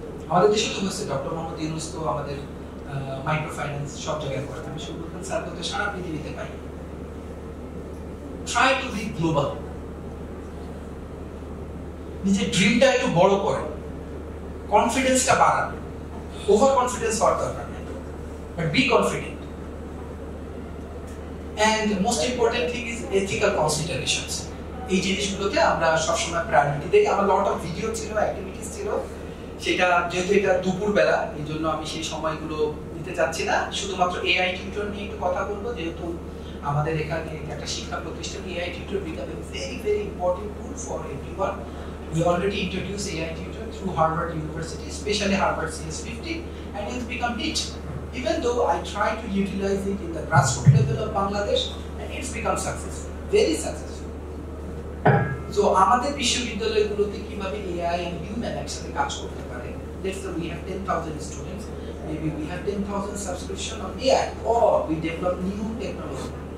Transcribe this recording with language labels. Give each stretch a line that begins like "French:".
Bangla: আমাদের দেশে তো হচ্ছে ডক্টর মোহাম্মদ ইউনুস, তো আমাদের মাইক্রো ফাইন্যান্স সব জায়গায় করে, আমি সুবুল খান স্যার করতে সারা পৃথিবীতে পাই।
English: try to be global,
Bangla: নিজের ড্রিমটা একটু বড় করে, কনফিডেন্সটা বাড়ান,
English: over confidence
Bangla: হওয়ার দরকার নেই,
English: But be confident. And the most important thing is ethical considerations.
Bangla: এই জিনিসগুলোকে আমরা সবসময় প্রায়োরিটি দেই। আমার
English: lot of video
Bangla: ছিল, অ্যাক্টিভিটিস ছিল, সেটা যেহেতু এটা দুপুরবেলা এই জন্য আমি সেই সময়গুলো নিতে চাচ্ছি না, শুধুমাত্র এআই টিউটর নিয়ে একটু কথা বলবো। যেহেতু আমাদের এখানে একটা শিক্ষা প্রতিষ্ঠান,
English: AI tutor become a very very important tool for everyone. We already introduce AI tutor through Harvard university, specially Harvard CS 50, and it become teach even though I try to utilize it in the grassroots level of Bangladesh and it's become successful, very successful. So
Bangla: আমাদের বিশ্ববিদ্যালয়গুলোতে কিভাবে
English: AI and human
Bangla: একসাথে কাজ করতে পারে,
English: let's say we have 10,000 students, maybe we have 10,000 subscription on AI or we develop new technology.